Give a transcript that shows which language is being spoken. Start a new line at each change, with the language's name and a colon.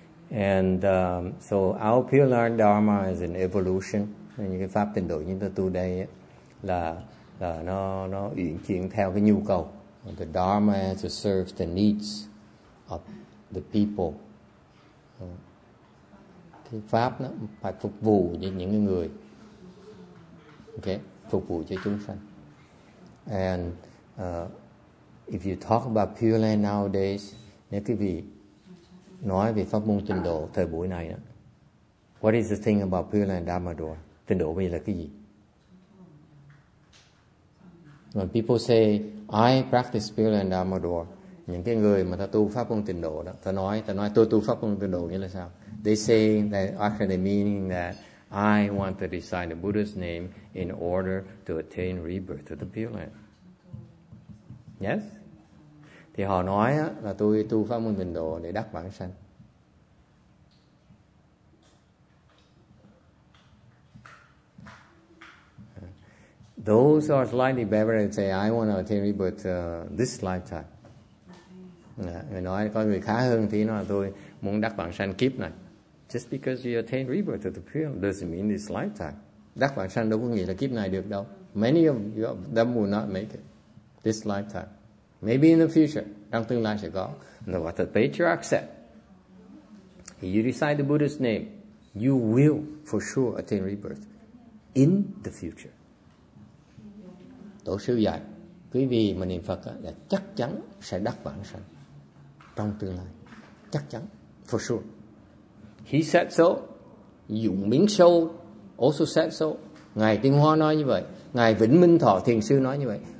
English: And so our pure learned dharma is an evolution.
Vietnamese: Những cái pháp tịnh độ chúng ta tu đây là nó uyển chuyển theo cái nhu cầu.
English: The dharma has to serve the needs of the people.
Vietnamese: Cái pháp nó phải phục vụ cho những người. Okay, phục vụ cho chúng sanh.
English: And if you talk about Pure Land nowadays,
Vietnamese: nếu quý vị nói về pháp môn tịnh độ thời buổi này, đó,
English: what is the thing about Pure Land Dharma Door?
Vietnamese: Tịnh độ bây giờ là cái gì?
English: When people say, I practice Pure Land Dharma Door,
Vietnamese: những cái người mà ta tu pháp môn tịnh độ đó, ta nói tôi tu pháp môn tịnh độ nghĩa là sao?
English: They say that actually meaning that I want to recite the Buddha's name in order to attain rebirth of the Pure Land. Yes?
Vietnamese: Thì họ nói là tôi tu pháp môn tịnh độ để đắc vãng sanh.
English: Those are slightly better and say, I want to attain rebirth this lifetime.
Vietnamese: Người nói có người khá hơn thì nói tôi muốn đắc vãng sanh kiếp này.
English: Just because you attain rebirth to the pure doesn't mean this lifetime.
Vietnamese: Đắc vãng sanh đâu có nghĩa là kiếp này được đâu.
English: Many of them will not make it this lifetime. Maybe in the future,
Vietnamese: trong tương lai sẽ có.
English: No, what the patriarch said. If you recite the Buddha's name, you will for sure attain rebirth in the future.
Vietnamese: Tổ sư dạy, quý vị mà niệm Phật á, là chắc chắn sẽ đắc vãng sanh trong tương lai. Chắc chắn,
English: for sure. He said so. Dụng Minh Châu also said so.
Vietnamese: Ngài Tinh Hoa nói như vậy. Ngài Vĩnh Minh Thọ Thiền Sư nói như vậy.